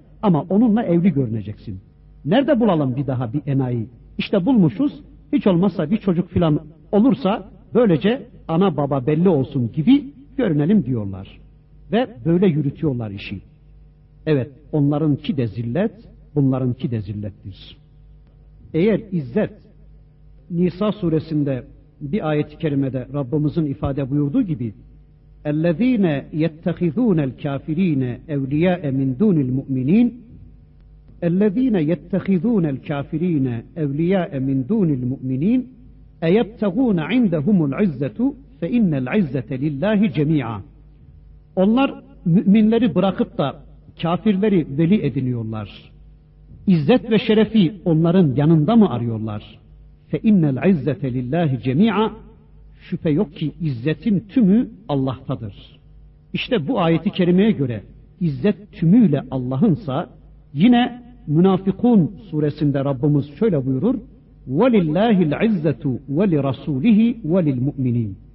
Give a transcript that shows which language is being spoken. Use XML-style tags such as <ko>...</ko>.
<tr>ama onunla evli görüneceksin. Nerede bulalım bir daha bir enayi? İşte bulmuşuz, hiç olmazsa bir çocuk filan olursa böylece ana baba belli olsun gibi görünelim diyorlar. Ve böyle yürütüyorlar işi. Evet, onlarınki de zillet, bunlarınki de zillettir. Eğer izzet, Nisa suresinde bir ayet-i kerimede Rabbimizin ifade buyurduğu gibi</tr> <ar>اَلَّذ۪ينَ يَتَّخِذُونَ الْكَافِر۪ينَ اَوْلِيَاءَ مِنْ دُونِ الْمُؤْمِن۪ينَ اَلَّذ۪ينَ يَتَّخِذُونَ الْكَافِر۪ينَ اَوْلِيَاءَ مِنْ دُونِ الْمُؤْمِن۪ينَ اَيَبْتَغُونَ عِنْدَهُمُ الْعِزَّةُ فَاِنَّ الْعِزَّةَ لِلّٰهِ جَمِيعًا.</ar> <tr>Onlar müminleri bırakıp da kafirleri veli ediniyorlar. İzzet ve şerefi onların yanında mı arıyorlar?</tr> <ar>فَاِنَّ الْعِزَّةَ لِلّٰهِ جَمِيعًا.</ar> <tr>Şüphe yok ki izzetin tümü Allah'tadır. İşte bu ayeti kerimeye göre izzet tümüyle Allah'ınsa, yine Münafıkun suresinde Rabbimiz şöyle buyurur:</tr> <ar>وَلِلَّهِ الْعِزَّةُ وَلِرَسُولِهِ وَلِلْمُؤْمِنِينَ.</ar>